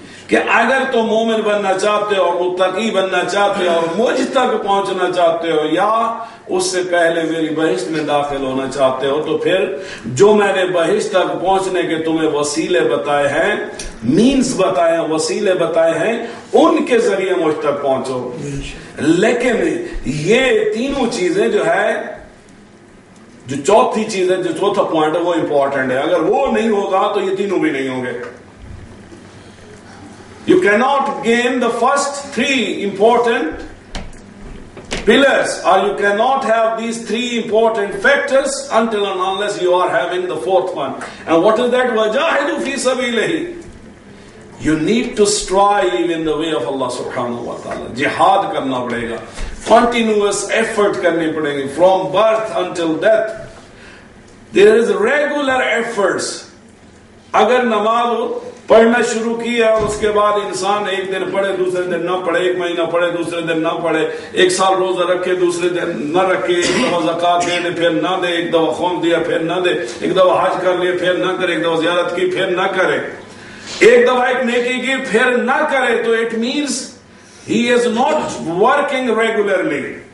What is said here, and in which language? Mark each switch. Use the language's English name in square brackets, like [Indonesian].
[Urdu] کہ اگر تم مومن بننا چاہتے ہو اور متقی بننا چاہتے ہو اور مجھ تک پہنچنا چاہتے ہو یا اس سے پہلے میری بہشت میں داخل ہونا چاہتے ہو تو پھر جو میں نے بہشت تک پہنچنے کے تمہیں وسیلے بتائے ہیں، مینز بتائے ہیں، وسیلے بتائے ہیں، ان کے ذریعے مجھ تک پہنچو. لیکن یہ تینوں چیزیں جو ہے، جو چوتھی چیز ہے، جو چوتھا پوائنٹ ہے، وہ امپورٹنٹ ہے. اگر وہ نہیں ہوگا تو یہ تینوں بھی نہیں ہوں گے. [English] You can not gain the first three important pillars or you cannot have these three important factors until and unless you are having the fourth one. And what is that? [Arabic] وَجَاهِدُ فِي سَبِيلِهِ. [English] You need to strive in the way of Allah subhanahu wa ta'ala. [Urdu] Jihad karna padega. [English] Continuous effort [Urdu] karne padega. [English] From birth until death. There is regular efforts. [Urdu] Agar namaz پڑھنا شروع کیا اس کے بعد انسان ایک دن پڑھے دوسرے دن نہ پڑھے، ایک مہینہ پڑھے دوسرے دن نہ پڑھے، ایک سال روزہ رکھے دوسرے دن نہ رکھے، ایک دفعہ زکات دے دے پھر نہ دے، ایک دفعہ خون دیا پھر نہ دے، ایک دفعہ حج کر لیے پھر نہ کرے، ایک دفعہ زیارت کی پھر نہ کرے، ایک دفعہ ایک نیکی کی پھر نہ کرے، تو [English] It means he is not working regularly.